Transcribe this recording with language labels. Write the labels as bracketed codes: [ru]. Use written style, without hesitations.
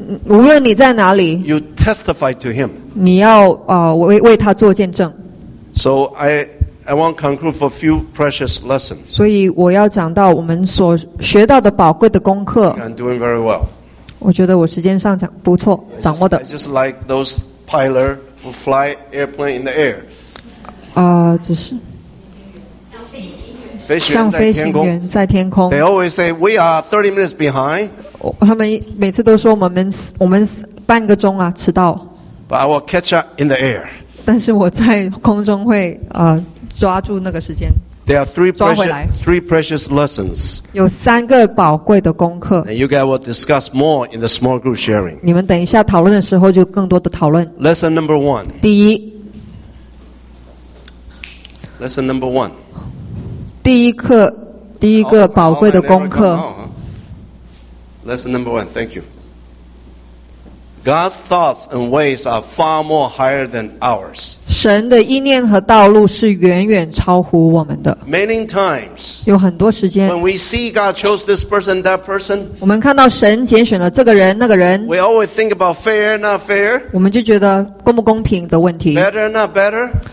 [zh] 无论你在哪里。 [en] You testify to Him。 [zh] 你要为他做见证。 [en] So I want to conclude for a few precious lessons。 [zh] 所以我要讲到我们所学到的宝贵的功课。 [en] I'm doing very well。 [zh] 我觉得我时间上讲不错，掌握的。 [en] I just like those pilot who fly airplane in the air。 [zh] 只是像飞行员在天空。 [en] They always say we are 30 minutes behind。 [zh] 他们每次都说我们半个钟啊迟到。 [en] But I will catch up in the air。 [zh] 但是我在空中会抓住那个时间。 [en] There are three precious lessons。 [zh] 有三个宝贵的功课。 [en] And you guys will discuss more in the small group sharing。 [zh] 你们等一下讨论的时候就更多的讨论。 [en] Lesson number one。 [zh] 第一。 [en] Lesson number one。 [zh] 第一个宝贵的功课。 [en] Lesson number one. Thank you。 God's thoughts and ways are far more higher than ours。 [zh] 神的意念和道路是远远超乎我们的。 [en] Many times， [zh] 有很多时间。 [en] When we see God chose this person, that person， [zh] 我们看到神拣选了这个人那个人。 [en] We always think about fair, not fair， [zh] 我们就觉得公不公平的问题。 [en] Better, not better，